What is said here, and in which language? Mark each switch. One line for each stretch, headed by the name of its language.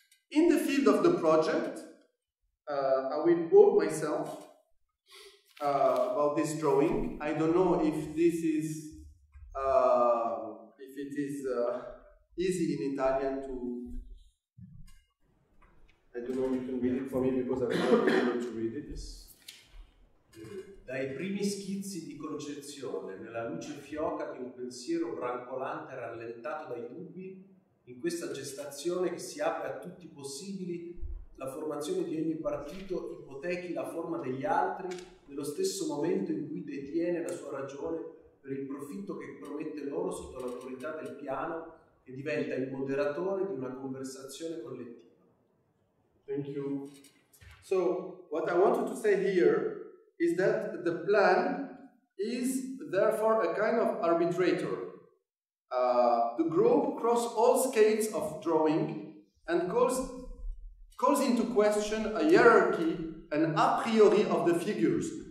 English: In the field of the project, I will quote myself about this drawing. I don't know if this is easy in Italian to. I don't know if you can read it for me because I'm not able to read it. Yes.
Italian: Dai primi schizzi di concezione nella luce fioca di un pensiero brancolante rallentato dai dubbi. In questa gestazione che si apre a tutti i possibili, la formazione di ogni partito ipotechi la forma degli altri nello stesso momento in cui detiene la sua ragione per il profitto che promette loro sotto l'autorità del piano e diventa il moderatore di una conversazione collettiva.
English: Thank you. So, what I wanted to say here is that the plan is therefore a kind of arbitrator. The group cross all scales of drawing and calls into question a hierarchy, an a priori of the figures.